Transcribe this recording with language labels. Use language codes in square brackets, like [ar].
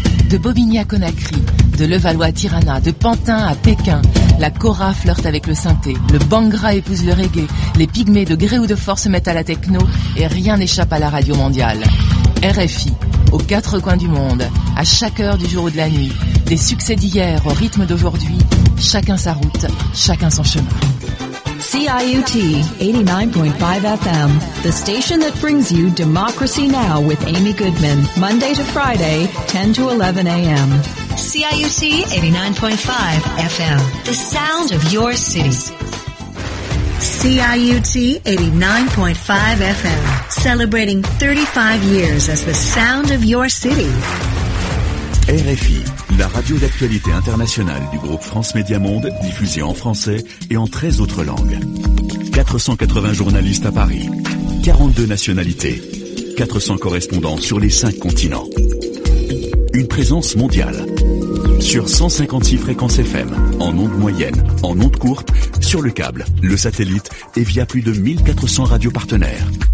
[fr] De Bobigny à Conakry, de Levallois à Tirana, de Pantin à Pékin, la Kora flirte avec le synthé, le Bangra épouse le reggae, les pygmées de gré ou de force se mettent à la techno et rien n'échappe à la radio mondiale. RFI, aux quatre coins du monde, à chaque heure du jour ou de la nuit, des succès d'hier au rythme d'aujourd'hui, chacun sa route, chacun son chemin. [en] CIUT 89.5 FM, the station that brings you Democracy Now! With Amy Goodman, Monday to Friday, 10 to 11 a.m. CIUT 89.5 FM, the sound of your city. CIUT 89.5 FM, celebrating 35 years as the sound of your city. [fr] RFI, la radio d'actualité internationale du groupe France Média Monde, diffusée en français et en 13 autres langues. 480 journalistes à Paris, 42 nationalités, 400 correspondants sur les 5 continents. Une présence mondiale, sur 156 fréquences FM, en ondes moyennes, en ondes courtes, sur le câble, le satellite et via plus de 1400 radios partenaires.